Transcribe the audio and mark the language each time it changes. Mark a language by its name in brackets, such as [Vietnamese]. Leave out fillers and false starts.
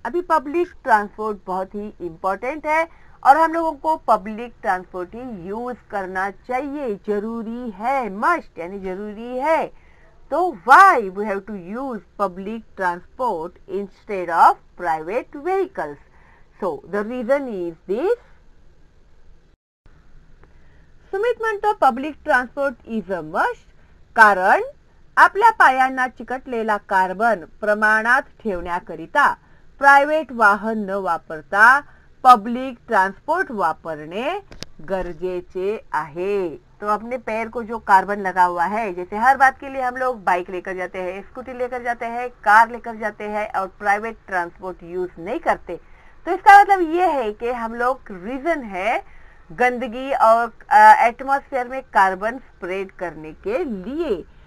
[Hindi] अभी public transport बहुत ही important है और हम लोगों को पब्लिक ट्रांसपोर्ट ही यूज करना चाहिए, जरूरी है, मस्ट यानी जरूरी है। [English] तो why we have to use public transport instead of private vehicles, so the reason is this. [Marathi] सुमित म्हणतो [English] public transport is a must [Marathi] कारण आपल्या पायांना चिकटलेला कार्बन प्रमाणात ठेवण्याकरिता प्रायव्हेट वाहन न वापरता पब्लिक ट्रांसपोर्ट वापरणे गरजेचे आहे। [Hindi] तो अपने पैर को जो कार्बन लगा हुआ है, जैसे हर बात के लिए हम लोग बाइक लेकर जाते हैं, स्कूटी लेकर जाते हैं, कार लेकर जाते हैं और प्राइवेट ट्रांसपोर्ट यूज नहीं करते, तो इसका मतलब ये है कि हम लोग रीजन है गंदगी और एटमॉस्फेयर में कार्बन स्प्रेड करने के लिए।